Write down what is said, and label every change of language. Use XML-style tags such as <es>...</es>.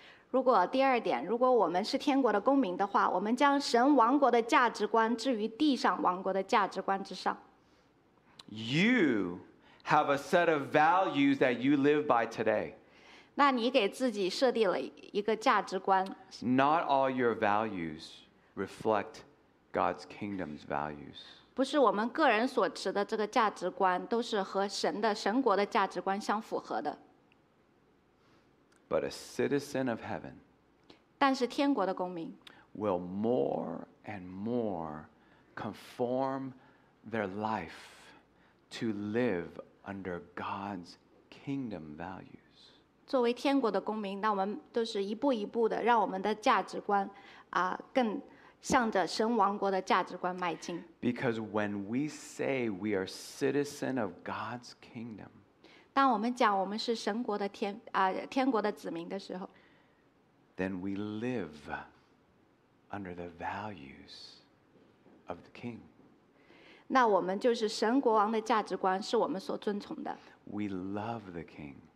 <zh>如果第二点，如果我们是天国的公民的话，我们将神王国的价值观置于地上王国的价值观之上。</zh> <en>You have a set of values that you live by today.</en> <zh>那你给自己设定了一个价值观。</zh> <en>Not all your values reflect God's kingdom's values.</en> <zh>不是我们个人所持的这个价值观都是和神的神国的价值观相符合的。</zh> <en>But a citizen of heaven</en> <zh>但是天国的公民</zh> <en>will more and more conform their life to live under God's kingdom values.</en> <zh>作为天国的公民，那我们都是一步一步的，让我们的价值观，更向着神王国的价值观迈进。</zh> <en>Because when we say we are citizen of God's kingdom,</en> <zh>当我们讲我们是神国的天国的子民的时候</zh> <en>，then we live under the values of the King.</en> <zh>那我们就是神国王的价值观是我们所遵从的。</zh> <en>We love the King.</en>